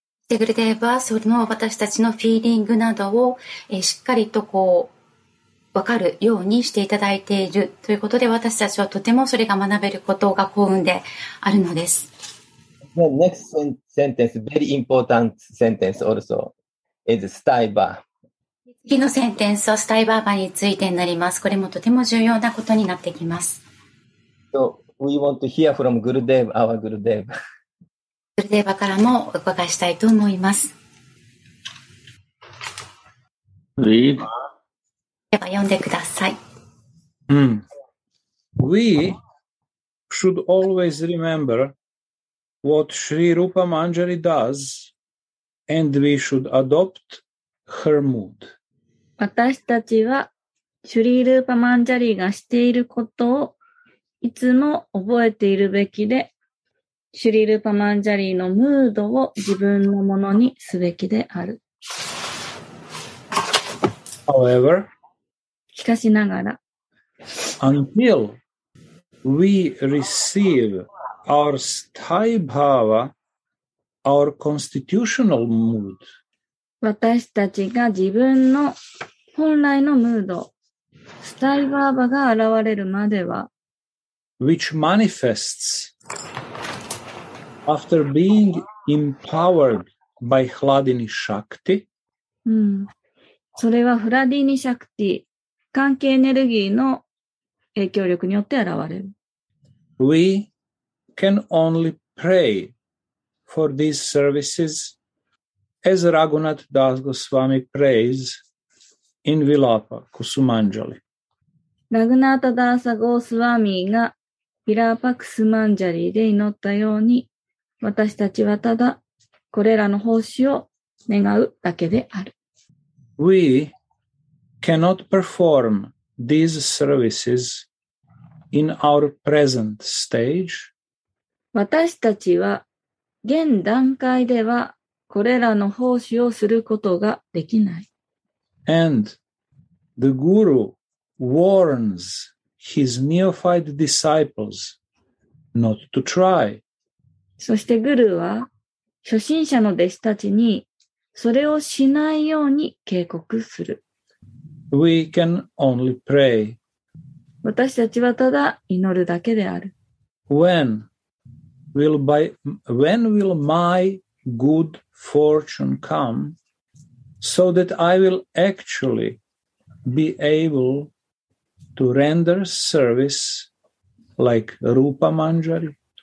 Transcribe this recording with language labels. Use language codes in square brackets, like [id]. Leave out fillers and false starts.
[ja] デグレデーバーソルの私たちのフィーリングなどを、しっかりとこう分かるようにしていただいているということで、私たちはとてもそれが学べることが幸運であるのです。 [en] The next sentence, very important sentence also is スタイバー。 [ja] 次のセンテンスはスタイバーガーについてになります。これもとても重要なことになってきます。 [en] So we want to hear from グルデーバー、 our グルデーバー、 [ja] グルデーバからもお伺いしたいと思います。では読んでください。 [en] We should always remember what Sri Rupa Manjari does, and we should adopt her mood. [ja] 私たちはシュリー・ルーパ・マンジャリがしていることをいつも覚えているべきで、シュリルパマンジャリーのムードを自分のものにすべきである。 [en] However, [ja] しかしながら、 [en] Until we receive our sthaibhava, our constitutional mood, [ja] 私たちが自分の本来のムード、スタイバーバが現れるまでは、 [en] which manifestsAfter being empowered by Hladini Shakti, [ja] それはフラディニシャクティ、関係エネルギーの影響力によって現れる。 [en] We can only pray for these services as Raghunath Das Goswami prays in Vilapa Kusumanjali. [ja] Raghunath Das Goswami がヴィラーパクスマンジャリで祈ったように。私たちはただこれらの奉仕を願うだけである。 [en] We cannot perform these services in our present stage. [ja] 私たちは現段階ではこれらの奉仕をすることができない。 [en] And the guru warns his neophyte disciples not to try. [ja] そしてグルーは初心者の弟子たちにそれをしないように警告する。 [en] We can only pray. [ja] 私たちはただ祈るだけである。 [en] When will my good fortune come so that I will actually be able to render service like Rupa Manjari?